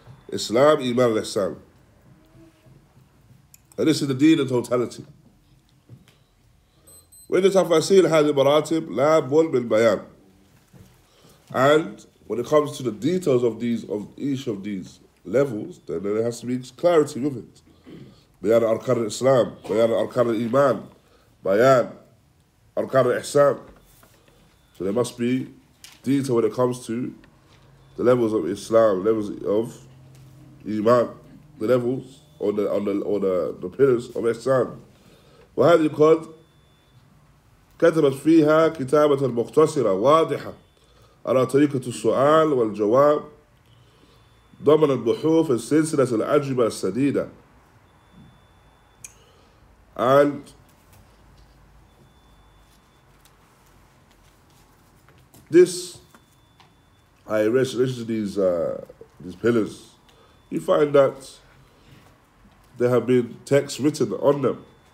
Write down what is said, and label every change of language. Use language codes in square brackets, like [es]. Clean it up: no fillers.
[en] Islam, Iman, and Ihsan. And this is the deen in totality. [ar] وإن تفاصيل هذه المراتب لا بول بالبيان. [en] And when it comes to the details of these, of each of these levels, then there has to be clarity with it. [ar] بيان أركان الإسلام, بيان أركان الإيمان, بيان أركان الإحسان. [en] So there must be detail when it comes to the levels of Islam, levels of Iman, the levels or the pillars of Ihsan. [ar] وهذه قد كتبت فيها كتابة مختصرة واضحة على طريقة السؤال والجواب ضمن البحوث في السلسلة الأجوبة السديدة. [en] And this, I research these pillars. You find that there have been texts written on them.